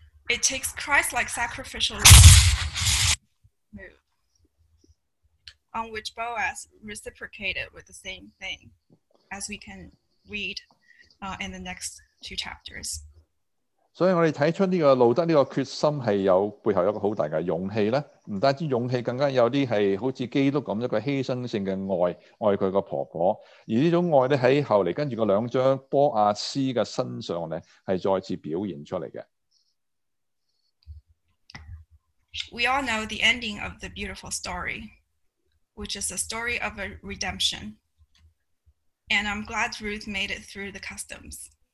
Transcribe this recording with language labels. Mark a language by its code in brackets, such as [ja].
[en] It takes Christ-like sacrificial love on which Boaz reciprocated with the same thing, as we can read in the next two chapters. [zh] 所以我們看出這個路德這個決心是背後有一個很大的勇氣，不單止勇氣，更加有些是好像基督那樣一個犧牲性的愛，愛他的婆婆，而這種愛在後來跟著兩張波亞斯的身上是再次表現出來的。 [en] We all know the ending of the beautiful story, which is a story of a redemption. And I'm glad Ruth made it through the customs.